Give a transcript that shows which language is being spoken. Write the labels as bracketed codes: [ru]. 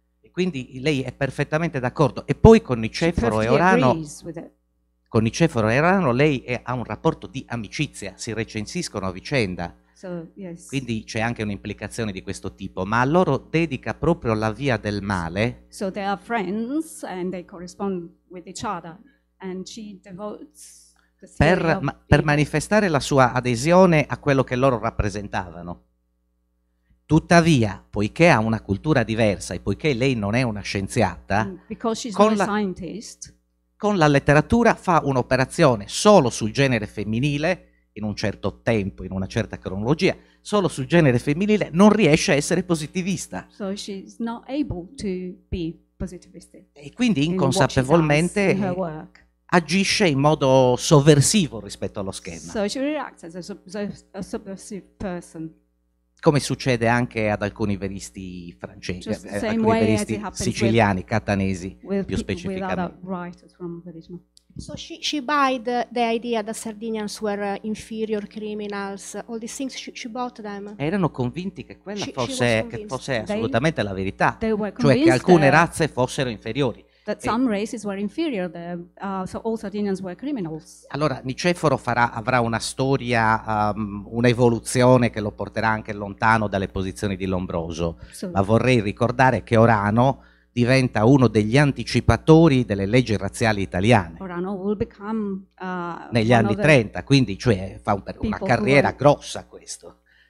[it] Quindi lei è perfettamente d'accordo. E poi con Nicefaro e Orano, lei ha un rapporto di amicizia, si recensiscono a vicenda. Quindi c'è anche un'implicazione di questo tipo, ma a loro dedica proprio la via del male. [en] So they are friends and they correspond with each other. And she devotes [it] per manifestare la sua adesione a quello che loro rappresentavano. Tuttavia, poiché ha una cultura diversa e poiché lei non è una scienziata, con la letteratura fa un'operazione solo sul genere femminile, in un certo tempo, in una certa cronologia, solo sul genere femminile, non riesce a essere positivista. [en] So she's not able to be positivistic. [it] E quindi inconsapevolmente agisce in modo sovversivo rispetto allo schema. [en] So she reacts as a subversive person. [it] Come succede anche ad alcuni veristi francesi, alcuni veristi siciliani, catanesi, più specificamente. [en] So she buyed the idea that Sardinians were inferior criminals, all these things, she bought them. [it] Erano convinti che quella fosse assolutamente la verità, cioè che alcune razze fossero inferiori. [en] That some races were inferior, so all Sardinians were criminals. [it] Allora Nicefaro avrà una storia, un'evoluzione che lo porterà anche lontano dalle posizioni di Lombroso. Ma vorrei ricordare che Orano diventa uno degli anticipatori delle leggi razziali italiane. [en] Orano will become [it] negli anni 30, quindi cioè fa una carriera grossa questo.